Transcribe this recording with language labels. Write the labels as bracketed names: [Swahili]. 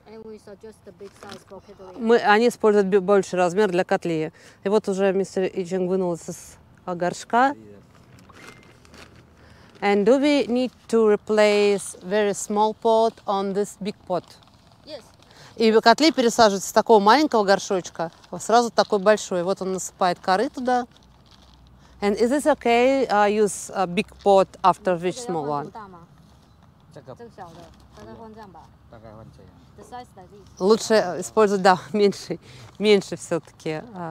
[Russian] Они используют больший размер для котли. И вот уже мистер Ичинг вынул из горшка. [English] And do we need to replace very small pot on this big pot? [Russian] И котлей пересаживается с такого маленького горшочка в сразу такой большой. Вот он насыпает коры туда. [English] And is this okay? Use a big pot after which small one? [Russian] Лучше использовать, да, меньше все-таки.